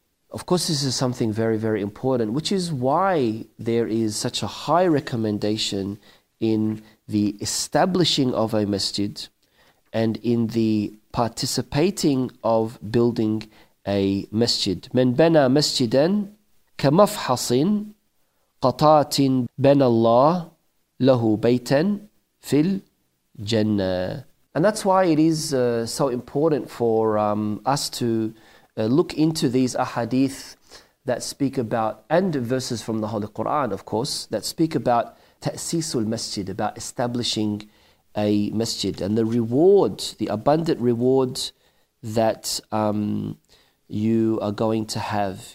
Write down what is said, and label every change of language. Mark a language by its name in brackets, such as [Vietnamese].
[English] Of course, this is something very, very important, which is why there is such a high recommendation in the establishing of a masjid and in the participating of building a masjid. [Arabic] من بنى مسجدا كمفحص قطاة بنى الله لَهُ بَيْتًا فِي الْجَنَّةِ. [English] And that's why it is so important for us to look into these ahadith that speak about, and verses from the Holy Quran, of course, that speak about ta'sisul masjid, about establishing a masjid, and the reward, the abundant reward that you are going to have.